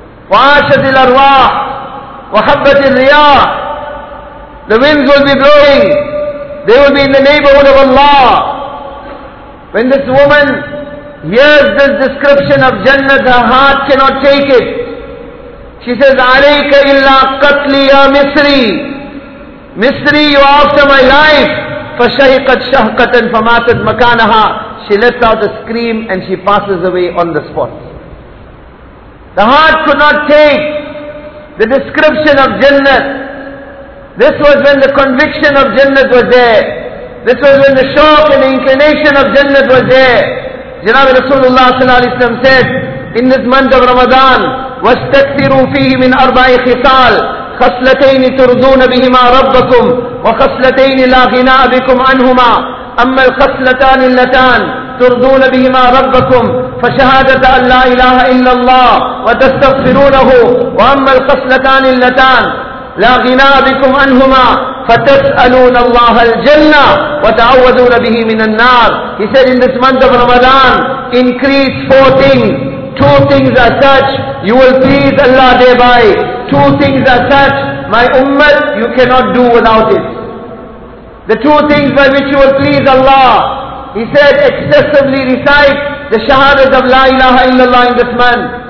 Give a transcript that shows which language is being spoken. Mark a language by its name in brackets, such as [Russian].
[Arabic] وعاشت الارواح وحبت الرياح. [English] The winds will be blowing. They will be in the neighborhood of Allah. When this woman hears this description of Jannah, her heart cannot take it. She says, [Arabic] عليك إلا قتلي يا مصري. [English] مصري, you are after my life. [Arabic] فشهقت شهقة فماتت مكانها. [English] She lets out a scream and she passes away on the spot. The heart could not take the description of Jannah. This was when the conviction of Jannah was there. This was when the shock and the inclination of Jannah was there. Janabi Rasulullah sallallahu alaihi wasallam said, in this month of Ramadan, [Arabic] وَاسْتَكْثِرُوا فِيهِ مِنْ أَرْبَعِ خِصَالٍ خَصْلَتَيْنِ تُرْضُونَ بِهِمَا رَبَّكُمْ وَخَصْلَتَيْنِ لَا غِنَى بِكُمْ عَنْهُمَا أَمَّا الْخَصْلَتَانِ اللَّتَانِ تُرْضُونَ بِهِمَا رَبَّكُمْ فَشَهَادَةَ أَنْ لَا إِلَهَ إِلَّا اللَّهُ وَتَسْتَغْفِرُونَهُ وَأَمَّا الْخَصْلَتَانِ اللَّتَانِ لا غنى بكم عنهما فتسألون الله الجنة وتعوذون به من النار. [English] He said, in this month of Ramadan, increase four things. Two things are such, you will please Allah thereby. Two things are such, my ummah, you cannot do without it. The two things by which you will please Allah, he said, excessively recite the shahadat of La ilaha illallah in this month.